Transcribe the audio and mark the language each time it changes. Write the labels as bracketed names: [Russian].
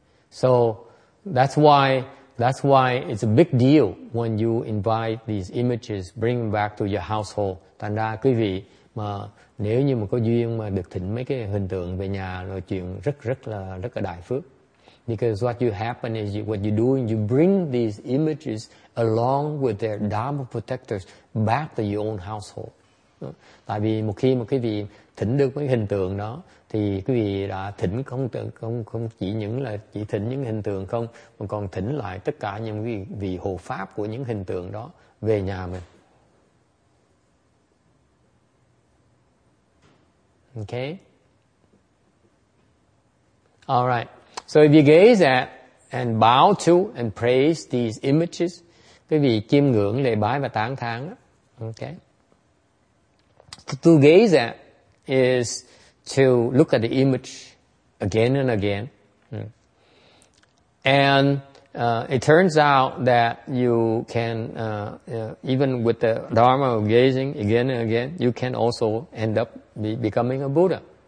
[English] So that's why it's a big deal when you invite these images, bring them back to your household. [Vietnamese] Thành ra quý vị mà nếu như mà có duyên mà được thỉnh mấy cái hình tượng về nhà là chuyện rất là đại phước. [English] Because what you happen is what you do, you bring these images along with their Dharma protectors back to your own household. [Vietnamese] Tại vì một khi mà quý vị thỉnh được cái hình tượng đó, thì quý vị đã thỉnh không chỉ thỉnh những hình tượng không, mà còn thỉnh lại tất cả những vị hộ pháp của những hình tượng đó về nhà mình. [English] Okay. All right. So if you gaze at and bow to and praise these images, [Vietnamese] quý vị chiêm ngưỡng, lễ bái và tán thán. [English] Okay. To gaze at is to look at the image again and again. And it turns out that you can, even with the Dharma of gazing again and again, you can also end up becoming a Buddha.